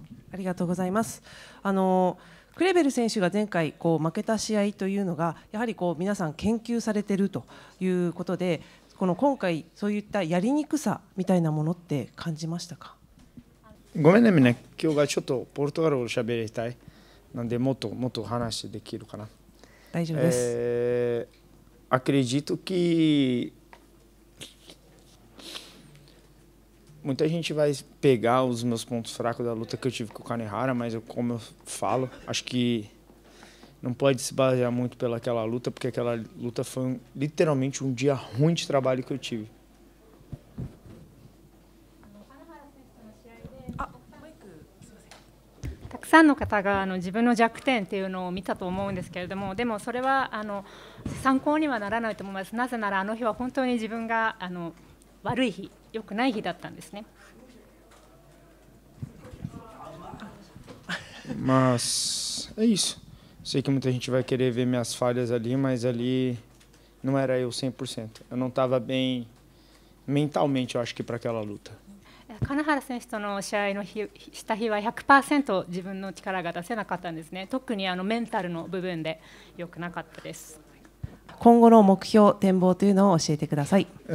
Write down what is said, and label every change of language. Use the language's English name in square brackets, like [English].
[Japanese] ありがとうございます。クレベル選手が前回こう負けた試合というのがやはりこう皆さん研究されているということで、この今回そういったやりにくさみたいなものって感じましたか。ごめんね、みんな今日がちょっとポルトガルを喋りたいなんで、もっともっと話できるかな。大丈夫です。 [Portuguese] アクレジトキMuita gente vai pegar os meus pontos fracos da luta que eu tive com o Kanehara, mas eu, como eu falo, acho que não pode se basear muito pelaquela luta, porque aquela luta foi literalmente um dia ruim de trabalho que eu tive. [Japanese] たくさんの方が自分の弱点っていうのを見たと思うんですけれども、でもそれは参考にはならないと思います。なぜならあの日は本当に自分が悪い日、良くない日だったんですね。 [Portuguese] Mas é isso. Sei que muita gente vai querer ver minhas falhas ali, mas ali não era eu 100%. Eu não estava bem mentalmente, eu acho que, para aquela luta. [Japanese] 金原選手との試合の日した日は 100% 自分の力が出せなかったんですね。特にメンタルの部分で良くなかったです。今後の目標展望というのを教えてください。